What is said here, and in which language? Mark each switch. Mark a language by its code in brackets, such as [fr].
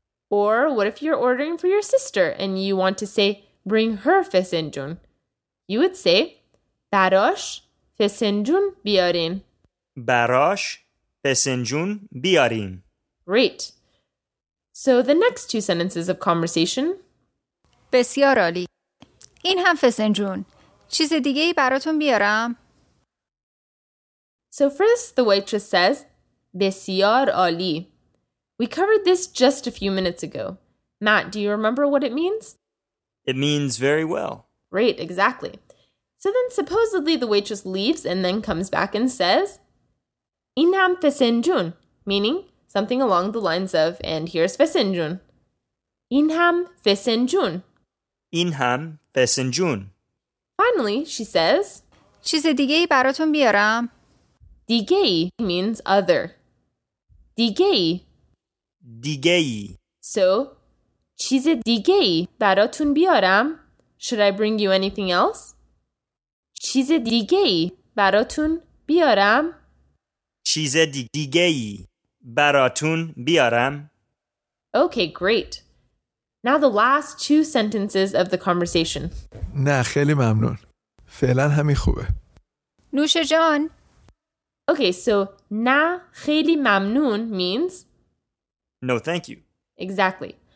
[en] Or what if you're ordering for your sister and you want to say bring her فسنجون? You would say [fa] براش فسنجون بیارین. براش فسنجون بیارین. [en] Great. So the next two sentences of conversation. [fa] بسیار عالی. این هم فسنجون. چیز دیگه‌ای براتون بیارم؟ [en] So first, the waitress says, [fa] بسیار عالی. [en] We covered this just a few minutes ago. Matt, do you remember what it means? It means very well. Great, exactly. So then supposedly the waitress leaves and then comes back and says, [fa] اینم فسنجون, [en] meaning something along the lines of, and here's فسنجون. [fa] اینم فسنجون. اینم فسنجون. [en] Finally, she says, [fa] چیز دیگه براتون بیارم. [en] Digei means other. Digei. [fa] Digei. So, چیز دیگه‌ای براتون بیارم. [en] Should I bring you anything else? [fa] چیز دیگه‌ای براتون بیارم؟ چیز دیگه‌ای براتون بیارم؟ [en] Okay, great. Now the last two sentences of the conversation. [fa] نه خیلی ممنون. فعلا همین خوبه. نوش جان. [en] Okay, so [fa] نه خیلی ممنون [en] means No, thank you. Exactly.